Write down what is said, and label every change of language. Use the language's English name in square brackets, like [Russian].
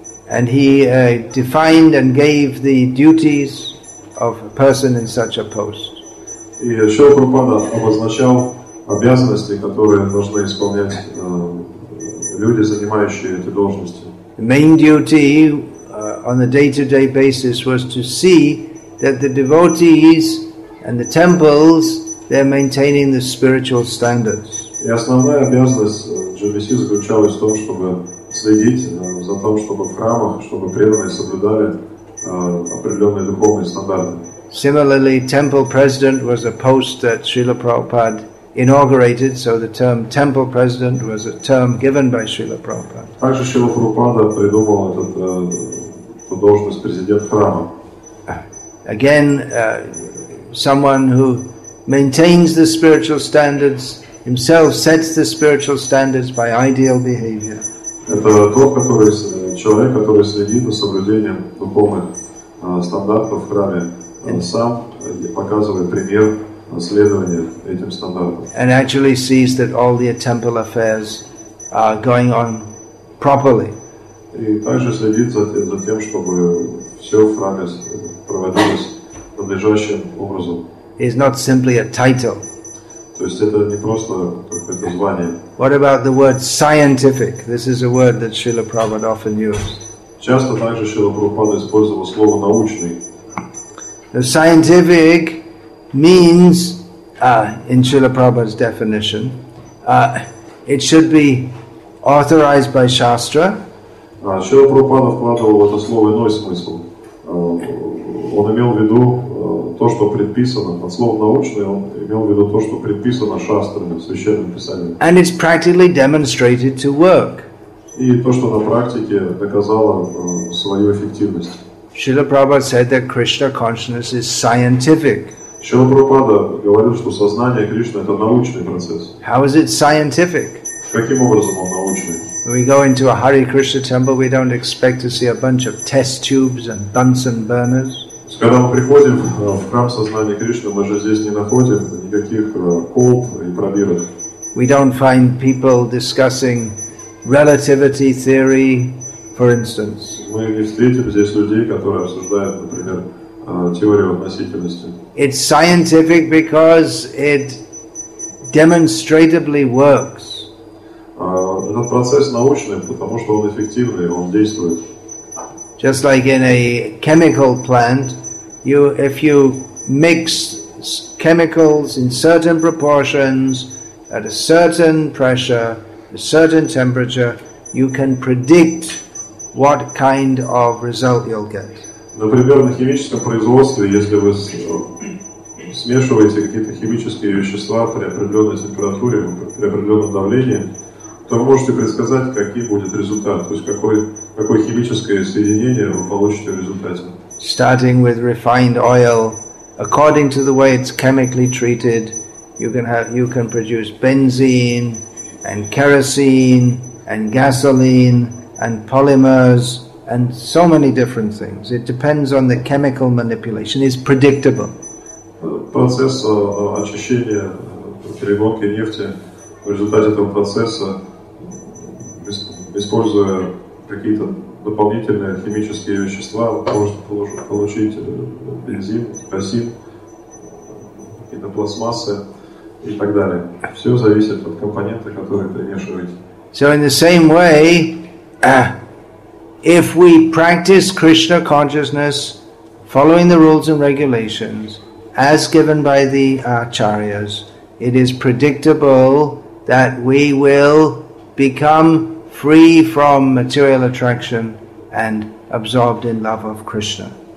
[English] And he defined and gave the duties of a person in such a post. [Russian] И Srila Prabhupada обозначал обязанности, которые должны исполнять люди, занимающие эти должности. [English] The main duty on a day-to-day basis was to see that the devotees and the temples, they're maintaining the spiritual standards. [Russian] И основная обязанность GBC заключалась в том, чтобы следить за тем, чтобы в храмах, чтобы преданные соблюдали определенные духовные стандарты. [English] Similarly, temple president was a post that Srila Prabhupada inaugurated, so the term temple president was a term given by Srila Prabhupada. [Russian] Также Шрила Прабхупада придумал эту должность президент храма. [English] Again, someone who maintains the spiritual standards, himself sets the spiritual standards by ideal behavior. [Russian] Это тот, человек, который следит за соблюдением духовных стандартов в храме, сам показывает пример следования этим стандартам. [English] And actually sees that all the temple affairs are going on properly. [Russian] И также следит за тем, чтобы все в храме проводилось надлежащим образом. [English] It's not simply a title. [Russian] То есть это не просто какое-то звание. [English] What about the word scientific? This is a word that Srila Prabhupada often used. [Russian] Часто также Шрила Прабхупада использовал слово научный. [English] The scientific means, in Srila Prabhupada's definition, it should be authorized by Shastra. [Russian] Srila Prabhupada вкладывал в это слово иной смысл. Он имел в виду то, что предписано. Под словом научное он имел в виду то, что предписано шастрами, священным писанием. [English] And it's practically demonstrated to work. [Russian] И то, что на практике доказало свою эффективность. [English] Srila Prabhupada said that Krishna consciousness is scientific. [Russian] Srila Prabhupada говорил, что сознание Кришны — это научный процесс. [English] How is it scientific? [Russian] Каким образом он научный? [English] When we go into a Hare Krishna temple, we don't expect to see a bunch of test tubes and Bunsen burners. [Russian] Когда мы приходим в храм сознания Кришны, мы же здесь не находим никаких колб и пробирок. [English] We don't find people discussing relativity theory, for instance. [Russian] Мы не встретим здесь людей, которые обсуждают, например, теорию относительности. [English] It's scientific because it demonstrably works. [Russian] Этот процесс научный, потому что он эффективный, он действует. [English] Just like in a chemical plant, if you mix chemicals in certain proportions at a certain pressure, a certain temperature, you can predict what kind of result you'll get. [Russian] Например, на химическом производстве, если вы смешиваете какие-то химические вещества при определенной температуре, при определенном давлении, то вы можете предсказать, каким будет результат, то есть какое химическое соединение вы получите в результате. [English] Starting with refined oil, according to the way it's chemically treated, you can produce benzene and kerosene and gasoline and polymers and so many different things. It depends on the chemical manipulation. It's predictable. [Russian] По процесс очищения, переборки нефти, в результате этого процесса, используя какие-то дополнительные химические вещества, можно получить бензин, керосин, какие-то пластмассы и так далее. Все зависит от компонента, который перемешиваете. [English] So in the same way, if we practice Krishna consciousness, following the rules and regulations as given by the acharyas, it is predictable that we will become free from material attraction and absorbed in love of Krishna.